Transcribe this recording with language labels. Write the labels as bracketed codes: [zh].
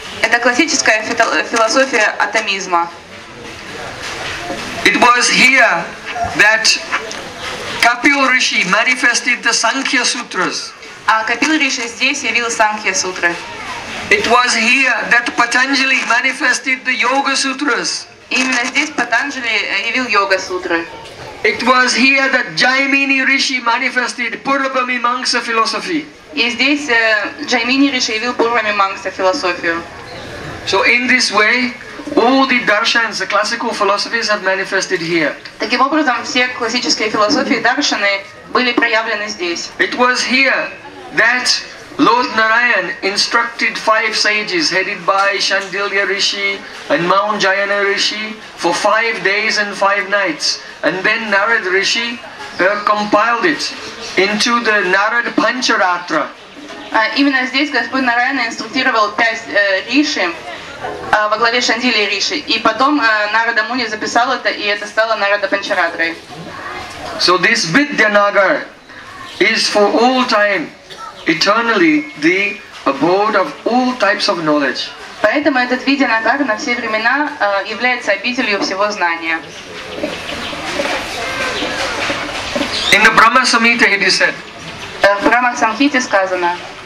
[ru] Это классическая философия атомизма. [en] It was here that Kapil Rishi manifested the Sankhya Sutras. [ru] А Kapil Rishi здесь явил Sankhya Sutra. [en] It was here that Patanjali manifested the Yoga Sutras. [ru] Именно здесь Патанджали явил йога сутры. [en] It was here that Jaimini Rishi manifested Purvamimamsa philosophy. [ru] И здесь Jaimini Rishi явил Пурвамимамса философию. [en] So in this way, all the darshans, the classical philosophies, have manifested here. [ru] Таким образом, все классические философии даршаны были проявлены здесь. [en] It was here that Lord Narayan instructed five sages headed by Shandilya Rishi and Mount Jayana Rishi for 5 days and five nights. And then Narad Rishi compiled it into the Narad Pancharatra. [ru] Именно здесь Господь Нараян инструктировал пять риши во главе Шандилья Риши. И потом Нарада Муни записал это, и это стало Нарада Панчаратрой. [en] So this Vidyanagar is for all time eternally the abode of all types of knowledge. [ru] Поэтому этот Видьянагар на все времена является обителью всего знания. [en] In the Brahma Samhita it is said. [ru] В Брахма Самхите сказано.